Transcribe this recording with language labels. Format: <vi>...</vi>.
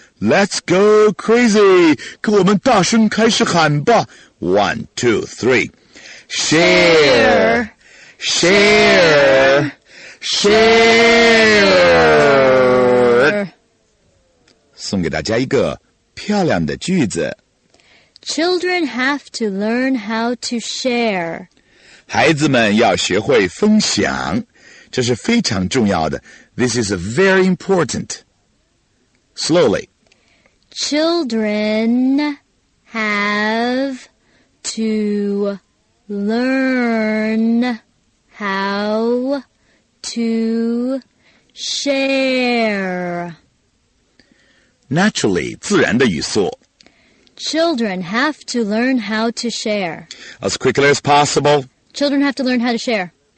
<en>Let's go crazy.</en> <zh>跟我们大声开始喊吧。</zh> <en>One, two, three. Share. Share. Share.</en> <zh>送给大家一个漂亮的句子。</zh> <en>Children have to learn how to share.</en> <zh>孩子们要学会分享，这是非常重要的。</zh> <en>This is very important. Slowly. Children have to learn how to share.</en> <zh>Naturally, 自然的语速。</zh> <en>Children have to learn how to share. As quickly as possible. Children have to learn how to share.</en>